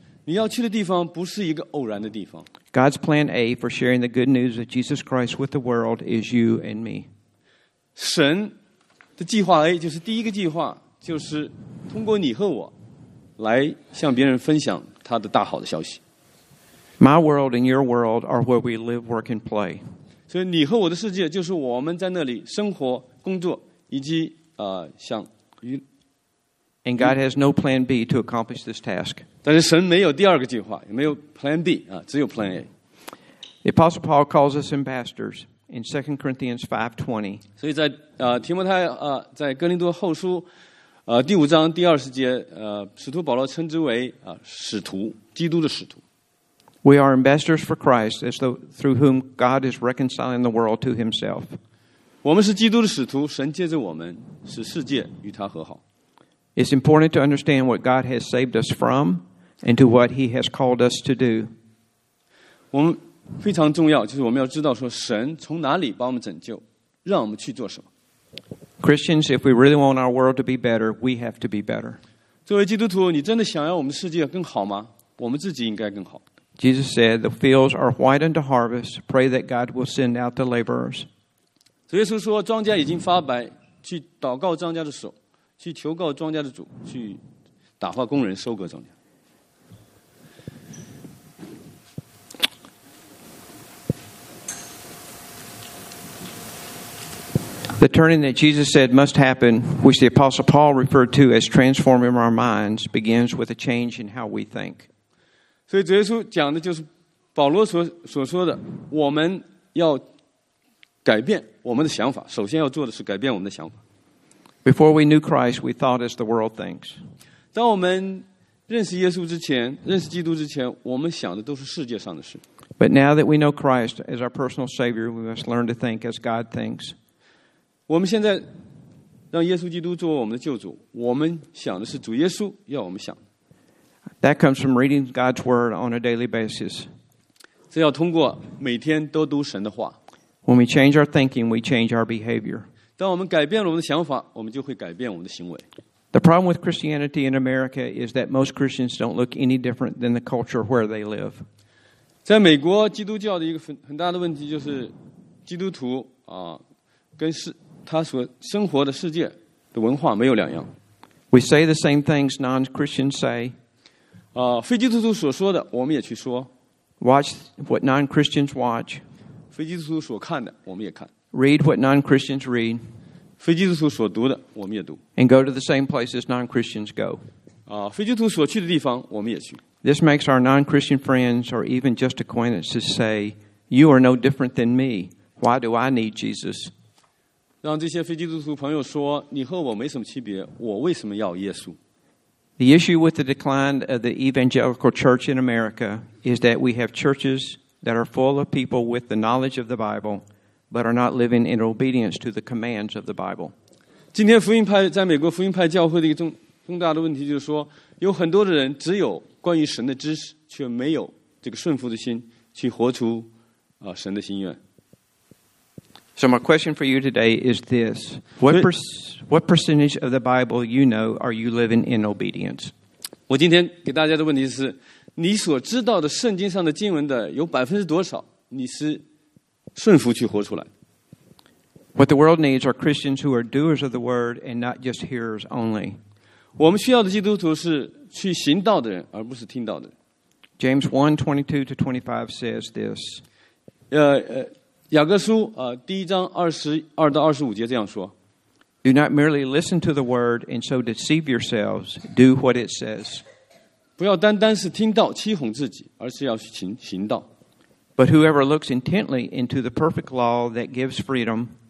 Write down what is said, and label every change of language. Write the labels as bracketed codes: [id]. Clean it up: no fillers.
[zh] 你要去的地方不是一个偶然的地方。 [en] God's plan A for sharing the good news of Jesus Christ with the world is you and me. [zh] 神的计划 A 就是第一个计划，就是通过你和我来向别人分享他的大好的消息。 [en] My world and your world are where we live, work, and play. [zh] 所以你和我的世界就是我们在那里生活、工作以及像与。 [en] And God has no plan B to accomplish this task. [zh] 但是神没有第二个计划，也没有 plan B 啊，只有 plan A. [en] The Apostle Paul calls us ambassadors in 2 Corinthians 5:20. [zh] 所以在提摩太在哥林多后书第五章第二十节使徒保罗称之为使徒，基督的使徒。 [en] We are ambassadors for Christ, as though through whom God is reconciling the world to Himself. [zh] 我们是基督的使徒，神借着我们使世界与他和好。 [en] It's important to understand what God has saved us from and to what He has called us to do. [zh] 我们非常重要，就是我们要知道说神从哪里把我们拯救，让我们去做什么。 [en] Christians, if we really want our world to be better, we have to be better. [zh] 作为基督徒，你真的想要我们世界更好吗？我们自己应该更好。 [en] Jesus said, "The fields are white unto harvest. Pray that God will send out the laborers." [zh] 主耶稣说，庄稼已经发白，去祷告庄稼的手。去求告庄稼的主，去打发工人收割庄稼。 [en] The turning that Jesus said must happen, which the Apostle Paul referred to as transforming our minds, begins with a change in how we think. [zh] 所以主耶稣讲的就是保罗所说的，我们要改变我们的想法。首先要做的是改变我们的想法。 [en] Before we knew Christ, we thought as the world thinks. [zh] 当我们认识耶稣之前，认识基督之前，我们想的都是世界上的事。 [en] But now that we know Christ as our personal Savior, we must learn to think as God thinks. [zh] 我们现在让耶稣基督做我们的救主，我们想的是主耶稣要我们想。 [en] That comes from reading God's Word on a daily basis. [zh] 这要通过每天都读神的话。 [en] When we change our thinking, we change our behavior. [zh] 当我们改变了我们的想法，我们就会改变我们的行为。 [en] The problem with Christianity in America is that most Christians don't look any different than the culture where they live. [zh] 在美国，基督教的一个很大的问题就是，基督徒跟他所生活的世界的文化没有两样。 [en] We say the same things non-Christians say. [zh] 非基督徒所说的，我们也去说。 [en] Watch what non-Christians watch. [zh] 非基督徒所看的，我们也看。 [en] Read what non-Christians read. [zh] 非基督徒所读的，我们也读。 [en] And go to the same places non-Christians go. [zh] 非基督徒所去的地方，我们也去。 [en] This makes our non-Christian friends or even just acquaintances say, "You are no different than me. Why do I need Jesus?" [zh] 让这些非基督徒朋友说，你和我没什么区别，我为什么要耶稣？ [en] The issue with the decline of the evangelical church in America is that we have churches that are full of people with the knowledge of the Bible. But are not living in obedience to the commands of the Bible. [zh] 今天福音派在美国福音派教会的一个重大的问题就是说，有很多的人只有关于神的知识，却没有这个顺服的心，去活出神的心愿。 [en] So my question for you today is this. What percentage of the Bible you know are you living in obedience? [zh] 我今天给大家的问题是，你所知道的圣经上的经文的有百分之多少你是顺服去活出来？ [en] What the world needs are Christians who are doers of the word and not just hearers only. [zh] 我们需要的基督徒是去行道的人，而不是听道的人。 [en] James 1:22-25 says this. [zh] 雅各书第一章22-25这样说。 [en] Do not merely listen to the word and so deceive yourselves. Do what it says. [zh] 不要单单是听到欺哄自己，而是要去行道。 [en] But whoever looks intently into the perfect law that gives freedom.